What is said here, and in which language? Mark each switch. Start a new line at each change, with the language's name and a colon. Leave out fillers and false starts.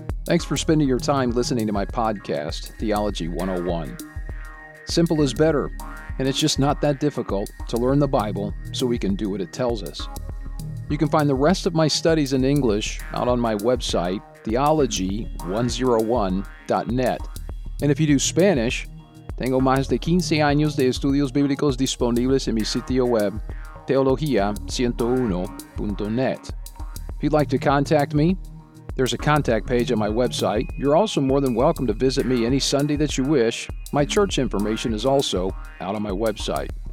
English: Thanks for spending your time listening to my podcast, Theology 101. Simple is better, and it's just not that difficult to learn the Bible so we can do what it tells us. You can find the rest of my studies in English out on my website, theology101.net. And if you do Spanish,
Spanish: tengo más de 15 años de estudios bíblicos disponibles en mi sitio web, teologia101.net.
English: If you'd like to contact me, there's a contact page on my website. You're also more than welcome to visit me any Sunday that you wish. My church information is also out on my website.